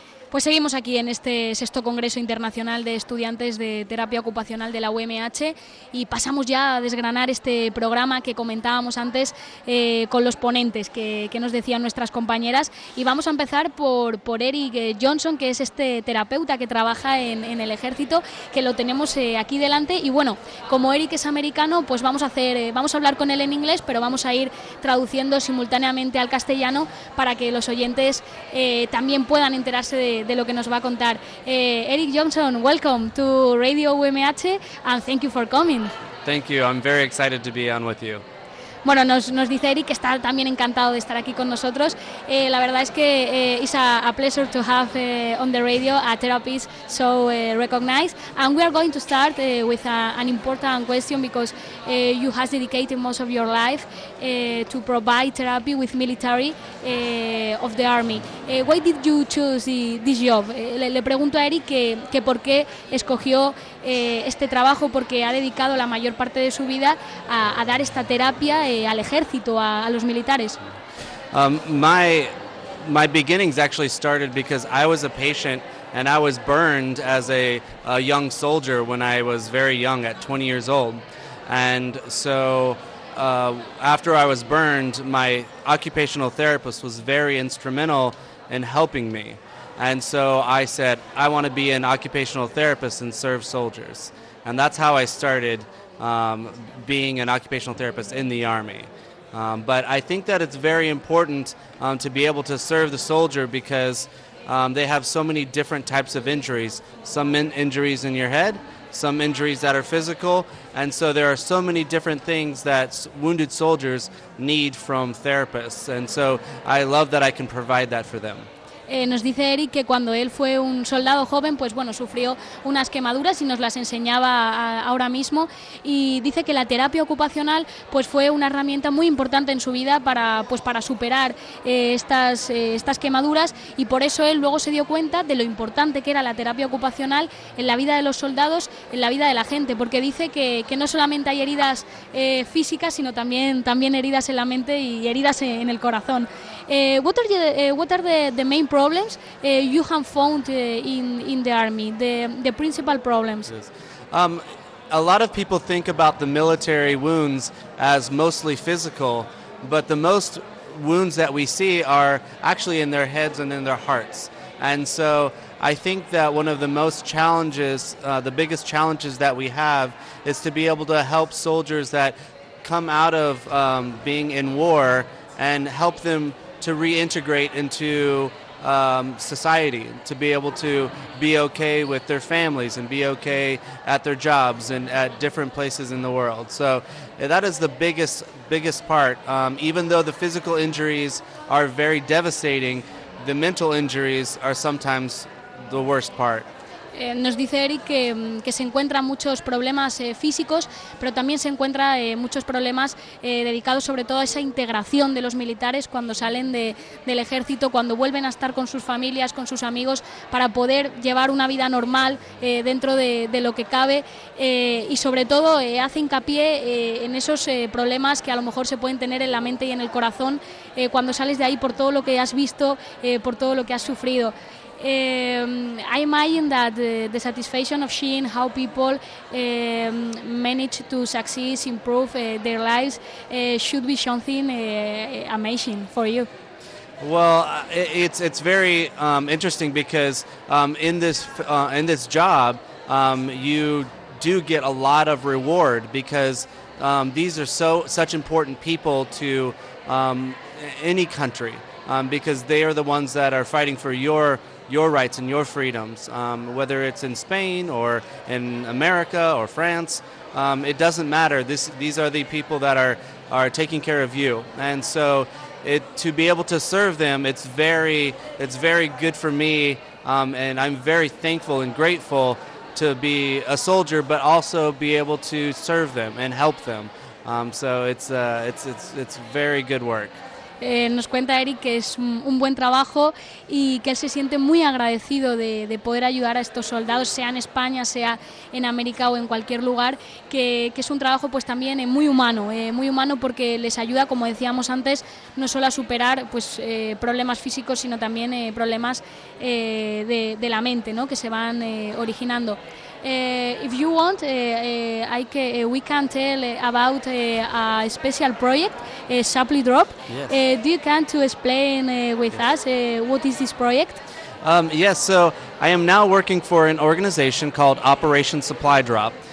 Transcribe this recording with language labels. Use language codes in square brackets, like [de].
[es] Pues seguimos aquí en este sexto congreso internacional de estudiantes de terapia ocupacional de la UMH, y pasamos ya a desgranar este programa que comentábamos antes con los ponentes que nos decían nuestras compañeras, y vamos a empezar por Eric Johnson, que es este terapeuta que trabaja en el ejército, que lo tenemos aquí delante. Y bueno, como Eric es americano, pues vamos a hablar con él en inglés, pero vamos a ir traduciendo simultáneamente al castellano para que los oyentes también puedan enterarse de lo que nos va a contar. [en] Eric Johnson, welcome to Radio UMH and thank you for coming. Thank you, I'm very excited to be on with you. [es] Bueno, nos dice Eric que está también encantado de estar aquí con nosotros. La verdad es que [en] it's a pleasure to have on the radio a therapist so recognized. And we are going to start with an important question, because you have dedicated most of your life to provide therapy with military of the army. Why did you choose this job? [es] Le pregunto a Eric que por qué escogió este trabajo, porque ha dedicado la mayor parte de su vida a dar esta terapia al ejército, a los militares. [en] My beginnings actually started because I was a patient and I was burned as a young soldier when I was very young, at 20 years old. And so after I was burned, my occupational therapist was very instrumental in helping me. And so I said, I want to be an occupational therapist and serve soldiers. And that's how I started being an occupational therapist in the Army. But I think that it's very important to be able to serve the soldier, because they have so many different types of injuries. Some injuries in your head, some injuries that are physical, and so there are so many different things that wounded soldiers need from therapists. And so I love that I can provide that for them. [es] Nos dice Eric que cuando él fue un soldado joven, pues bueno, sufrió unas quemaduras y nos las enseñaba ahora mismo. Y dice que la terapia ocupacional pues fue una herramienta muy importante en su vida para superar estas quemaduras. Y por eso él luego se dio cuenta de lo importante que era la terapia ocupacional en la vida de los soldados, en la vida de la gente. Porque dice que no solamente hay heridas físicas, sino también heridas en la mente y heridas en el corazón. [en] What are the main problems you have found in the army, the principal problems? Yes. A lot of people think about the military wounds as mostly physical, but the most wounds that we see are actually in their heads and in their hearts. And so I think that one of the most challenges, the biggest challenges that we have, is to be able to help soldiers that come out of being in war and help them to reintegrate into society, to be able to be okay with their families and be okay at their jobs and at different places in the world. So that is the biggest part. Even though the physical injuries are very devastating, the mental injuries are sometimes the worst part. [es] Nos dice Eric que se encuentran muchos problemas físicos, pero también se encuentra muchos problemas dedicados sobre todo a esa integración de los militares cuando salen del ejército, cuando vuelven a estar con sus familias, con sus amigos, para poder llevar una vida normal dentro de lo que cabe, y sobre todo hace hincapié en esos problemas que a lo mejor se pueden tener en la mente y en el corazón cuando sales de ahí, por todo lo que has visto, por todo lo que has sufrido. [en] I imagine that the satisfaction of seeing how people manage to succeed, improve their lives, should be something amazing for you. Well, it's very interesting, because in this job, you do get a lot of reward, because these are such important people to any country, because they are the ones that are fighting for your rights and your freedoms, whether it's in Spain or in America or France, it doesn't matter. These are the people that are taking care of you. And so to be able to serve them, it's very good for me, and I'm very thankful and grateful to be a soldier, but also be able to serve them and help them. So it's very good work. [es] Nos cuenta Eric que es un buen trabajo y que él se siente muy agradecido de poder ayudar a estos soldados, sea en España, sea en América o en cualquier lugar, que es un trabajo pues también muy humano, porque les ayuda, como decíamos antes, no solo a superar pues problemas físicos, sino también problemas de la mente, ¿no?, que se van originando. [en] If you want, we can tell about a special project, Supply Drop. Yes. Do you can to explain with yes. us what is this project? Yes, so I am now working for an organization called Operation Supply Drop.